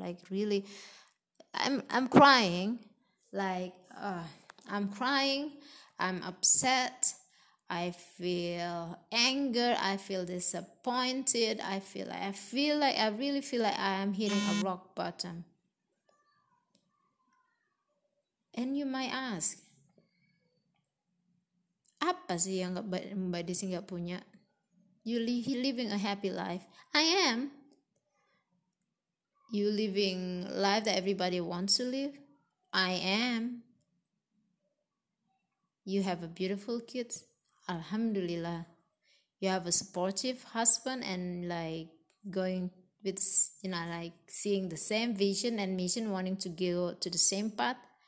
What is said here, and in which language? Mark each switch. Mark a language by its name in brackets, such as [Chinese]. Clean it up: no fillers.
[English] Like really, I'm crying. Like I'm crying. I'm upset. I feel anger, I feel disappointed, I really feel like I am hitting a rock bottom. And you might ask, [Indonesian] apa sih yang Mbak Desi gak punya? [English] You living a happy life. I am. You living life that everybody wants to live. I am. You have a beautiful kids. Alhamdulillah. You have a supportive husband and like going with, you know, like seeing the same vision and mission, wanting to go to the same path.